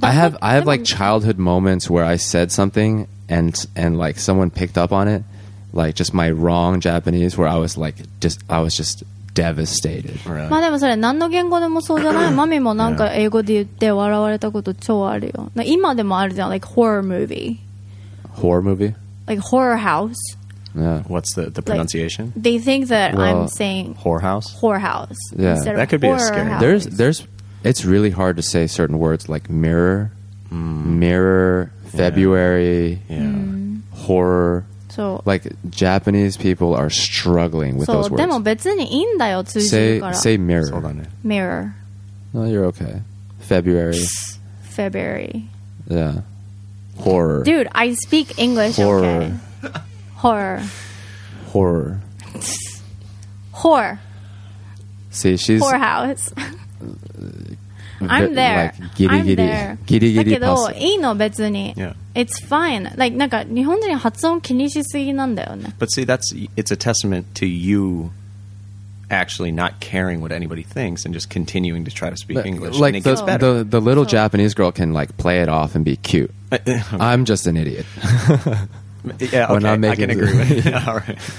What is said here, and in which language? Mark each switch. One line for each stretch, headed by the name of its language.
English: I have like childhood moments where I said something and like someone picked up on it, like just my wrong Japanese, where I was like I was just devastated. Really?
Japanese: まあでもそれ何の言語でもそうじゃない。マミもなんか英語で言って笑われたこと超あるよ。な今でもあるじゃん、
English: like horror movie? Like horror house. Yeah. What's the pronunciation? Like, they think that I'm saying whorehouse. Yeah. That could be a scary. There's it's really hard to say certain words like mirror, mirror, February, horror. So, like Japanese people are struggling with those words.
Japanese: でも別にいいんだよ、通じるから。
English: Say mirror.
Japanese: そうだね。
English: Mirror. No, you're okay. February. February. Yeah. Horror. Dude, I speak English. Horror. Okay. Horror. Horror. Horror. See, she's whorehouse. I'm there. Like, giddy, I'm giddy, there. Giddy, giddy,
Japanese: だけど、いいの別に。
English: Yeah. It's fine.
Japanese: Like, なんか日本人発音気にしすぎなんだよね。
English: But see, it's a testament to you actually not caring what anybody thinks and just continuing to try to speak English. Like, and it gets better. The little Japanese girl can like play it off and be cute. Okay. I'm just an idiot. Yeah, okay. I can agree with you. Yeah, all right.